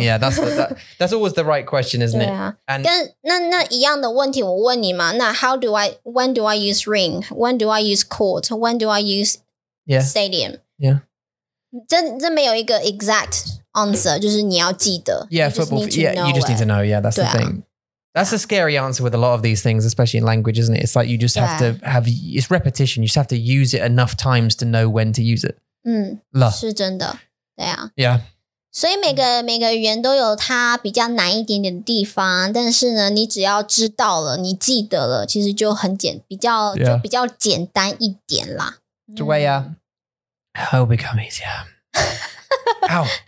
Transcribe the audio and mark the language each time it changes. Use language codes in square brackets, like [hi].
[en] Yeah, that's always the right question, isn't it? [zh] And 跟那那一样的问题我问你嘛？ [en] 那 how do I when do I use ring? When do I use court? When do I use stadium? Yeah, [zh] 这没有一个 [en] exact answer, [zh] 就是你要记得。 [en] Yeah, football. Yeah, you just need to know. Yeah, that's the thing. That's a scary answer with a lot of these things, especially in language, isn't it? It's like you just have to have it's repetition. You just have to use it enough times to know when to use it. [zh] 嗯，是真的，对啊 [en] ，Yeah， [zh] 所以每个语言都有它比较难一点点的地方，但是呢，你只要知道了，你记得了，其实就很简，比较、yeah. 就比较简单一点啦。 [en] The way I hope become easier. Ow，